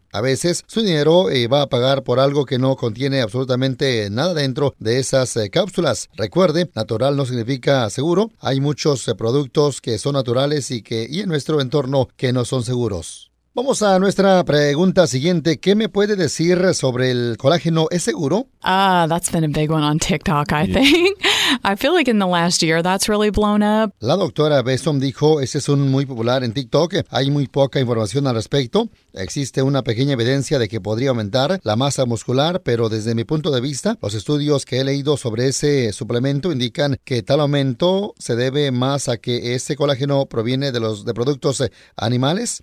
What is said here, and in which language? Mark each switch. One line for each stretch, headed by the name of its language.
Spanish: A veces su dinero va a pagar por algo que no contiene absolutamente nada dentro de esas cápsulas. Recuerde, natural no significa seguro. Hay muchos productos que son naturales y en nuestro entorno que no son seguros. Vamos a nuestra pregunta siguiente. ¿Qué me puede decir sobre el colágeno? ¿Es seguro?
English: Ah, that's been a big one on TikTok, I think. I feel like in the last year that's really blown up.
Spanish: La doctora Besom dijo, ese es un muy popular en TikTok. Hay muy poca información al respecto. Existe una pequeña evidencia de que podría aumentar la masa muscular, pero desde mi punto de vista, los estudios que he leído sobre ese suplemento indican que tal aumento se debe más a que ese colágeno proviene de productos animales.